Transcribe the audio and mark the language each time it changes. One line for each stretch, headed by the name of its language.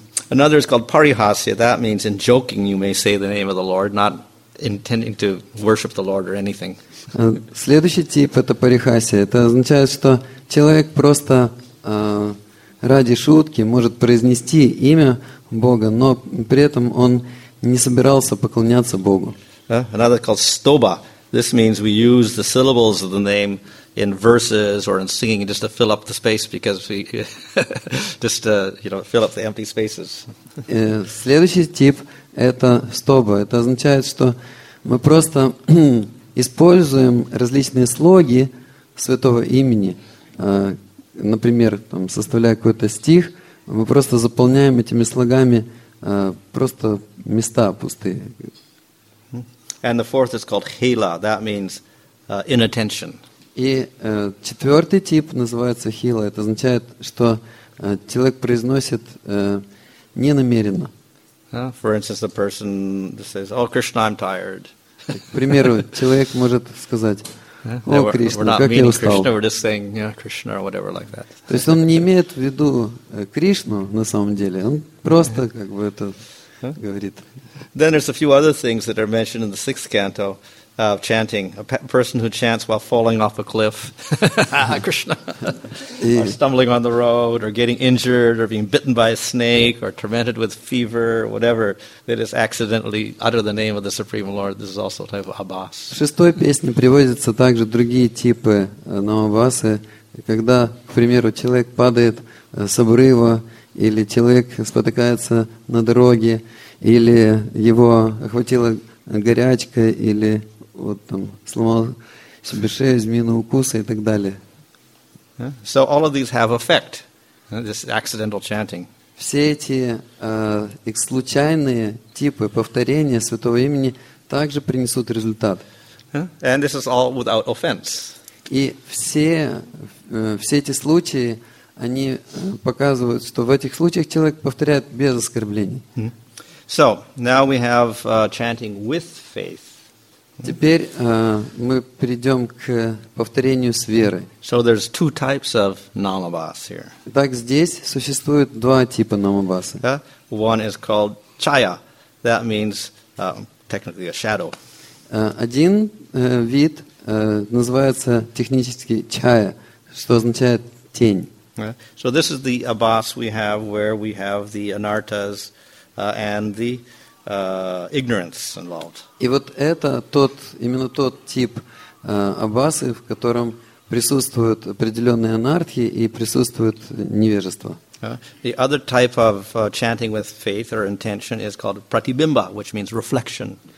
English: Another is called Parihasya. That means in joking you may say the name of the Lord, not intending to worship the Lord or anything.
Russian: Следующий тип – это парихасия. Это означает, что человек просто ради шутки может произнести имя Бога, но при этом он не собирался поклоняться Богу.
English: Another is called Stoba. This means we use the syllables of the name in verses or in singing just to fill up the space because we just fill up the empty spaces.
Russian: Следующий тип это стоба. Это означает, что мы просто используем различные слоги святого имени, например, там составляя какой-то стих, мы просто заполняем этими слогами просто места пустые.
English: And the fourth is called hila. That means inattention.
Russian: И четвертый тип называется хила. Это означает, что человек произносит ненамеренно.
English: For instance, the person says, "Oh, Krishna, I'm tired."
Russian: К примеру, человек может сказать, "О, Кришна, как я устал."
English: Krishna, we're just saying, Krishna or whatever like that.
Russian: То есть он не имеет в виду Кришну на самом деле. Он просто как бы это говорит.
English: Then there's a few other things that are mentioned in the sixth canto. Of chanting, a person who chants while falling off a cliff, Krishna, or stumbling on the road, or getting injured, or being bitten by a snake, or tormented with fever, whatever, that is accidentally utter the name of the Supreme Lord. This is also a type of Abbas.
Russian: В шестой песне приводятся также другие типы намбасы, когда, к примеру, человек падает с обрыва, или человек спотыкается на дороге, или его охватила горячка, или вот там сломал себе шею, змеиный укус и так далее.
English: So all of these have effect, this accidental chanting.
Russian: Все эти случайные типы повторения святого имени также принесут результат.
English: And this is all without offense.
Russian: И все эти случаи, они показывают, что в этих случаях человек повторяет без оскорблений.
English: So now we have chanting with faith.
Russian: Теперь мы перейдем к повторению с верой.
English: So there's two types of namabhas here.
Russian: Так здесь существует два типа намабасы.
English: One is called chaya. That means technically a shadow.
Russian: Один вид называется технически чая, что означает тень.
English: So this is the abhas we have where we have the anartas and the ignorance involved.
Russian: И вот это тот, именно тот тип аббасы, в котором присутствуют определенные анартхи и присутствует невежество.
English: The other type of chanting with faith or intention is called pratibimba, which means reflection.